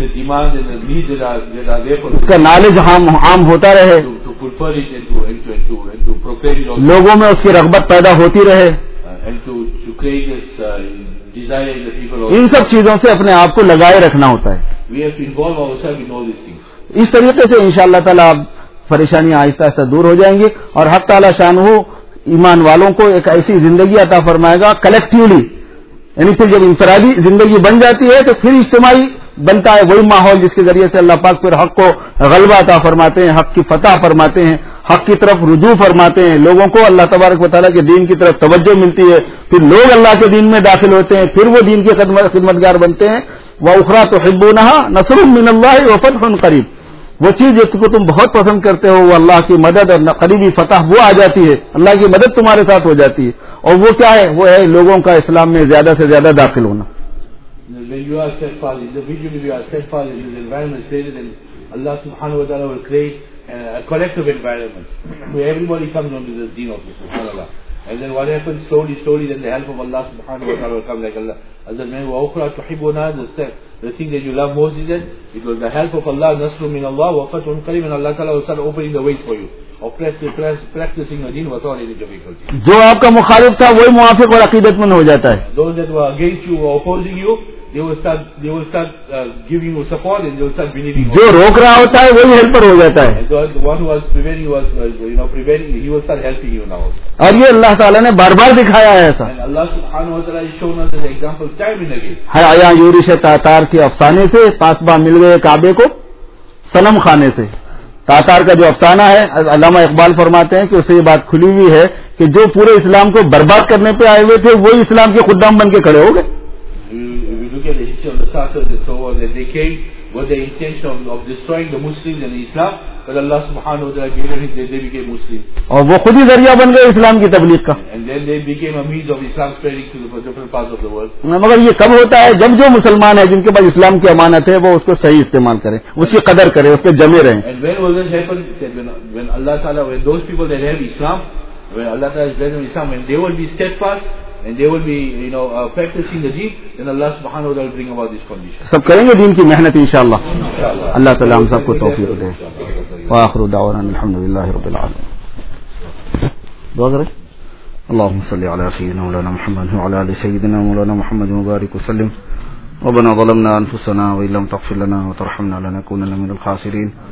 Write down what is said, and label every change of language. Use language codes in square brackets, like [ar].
[en] The demand and the needs that are there for [ur] اس کا knowledge عام ہوتا رہے. [en] To fulfill it and to prepare it also. [ur] لوگوں میں اس کی رغبت پیدا ہوتی رہے. [en] And to create this desire in the people also. [ur] ان سب چیزوں سے اپنے آپ کو لگائے رکھنا ہوتا ہے. [en] We have to involve ourselves in all these things. [ur] اس طریقے سے انشاءاللہ تعالیٰ پریشانیاں آہستہ آہستہ دور ہو جائیں گی اور حق تعالیٰ شانہ ایمان والوں کو ایک ایسی زندگی عطا فرمائے گا کلیکٹیولی، یعنی پھر جب انفرادی زندگی بن جاتی ہے تو پھر اجتماعی بنتا ہے وہی ماحول جس کے ذریعے سے اللہ پاک پھر حق کو غلبہ عطا فرماتے ہیں، حق کی فتح فرماتے ہیں، حق کی طرف رجوع فرماتے ہیں، لوگوں کو اللہ تبارک و تعالیٰ کے دین کی طرف توجہ ملتی ہے، پھر لوگ اللہ کے دین میں داخل ہوتے ہیں، پھر وہ دین کے خدمتگار بنتے ہیں. [ar] وَأُخْرَى تُحِبُّونَهَا نَصْرٌ مِّنَ اللَّهِ وَفَتْحٌ قَرِيبٌ [ur] وہ چیز جس کو تم بہت پسند کرتے ہو وہ اللہ کی مدد اور قریبی فتح وہ آ جاتی ہے، اللہ کی مدد تمہارے ساتھ ہو جاتی ہے. اور وہ کیا ہے؟ وہ ہے لوگوں کا اسلام میں زیادہ سے زیادہ داخل ہونا. [en] When you are steadfast, individually you are steadfast in this environment, then Allah subhanahu wa ta'ala will create a collective environment where everybody comes onto this deen of Allah. And then what happens slowly, then the help of Allah subhanahu wa ta'ala will come like Allah. As the man, [ar] وَأُخْرَى تُحِبُّنَا [en] the thing that you love most is that it was the help of Allah, [ar] نَصْرٌ مِّنَ اللَّهِ وَفَتْحٌ قَرِيبٌ [en] and Allah ta'ala will start opening the ways for you. Practicing your deen with all any difficulty. [ur] جو آپ کا مخالف تھا وہی موافق اور عقیدت مند ہو جاتا ہے. [en] Those that were against you, were opposing you, they will start giving you support and they will start believing. [ur] جو روک رہا ہوتا ہے وہی ہیلپر ہو جاتا ہے. [en] The one who was preventing was, you know, preventing, he will start helping you now. [ur] اور یہ اللہ تعالیٰ نے بار بار دکھایا ہے ایسا. [en] And Allah subhanahu wa ta'ala has shown us as examples time and again. [ur] ہے آیا یورش تاتار کے افسانے سے پاسبہ مل گئے کعبے کو سنم خانے سے. تاتار کا جو افسانہ ہے علامہ اقبال فرماتے ہیں کہ اسے یہ بات کھلی ہوئی ہے کہ جو پورے اسلام کو برباد کرنے پہ آئے ہوئے تھے وہی اسلام کے خدام بن کے کھڑے ہو گئے. [en] We look at the history of the Tatars and so on, and they came with the intention of destroying the Muslims and Islam, but Allah subhanahu wa ta'ala gave them, they became Muslims. [ur] اور وہ خود ہی ذریعہ بن گئے اسلام کی تبلیغ کا. [en] And then they became a means of Islam spreading to the different parts of the world. [ur] مگر یہ کب ہوتا ہے؟ جب جو مسلمان ہیں جن کے پاس اسلام کی امانت ہے وہ اس کو صحیح استعمال کریں، اس کی قدر کریں، اس پہ جمے رہیں. [en] And when will this happen? He said, when Allah ta'ala, when those people that have Islam, when Allah ta'ala has blessed them Islam, when they will be steadfast, and they will be, you know, practicing the deen, then Allah subhanahu wa ta'ala will bring about this condition. [ur] سب کریں گے دین کی محنت انشاءاللہ. اللہ تعالی ہم سب کو توفیق دے. [ar] وآخر دعوانا الحمدللہ رب العالمين. [ur] دعا کریں. [ar] اللهم صل على سيدنا مولانا محمد وعلى آل سيدنا مولانا محمد مبارك وسلم. ربنا ظلمنا أنفسنا وإن لم تغفر لنا وترحمنا لنكونن من الخاسرين.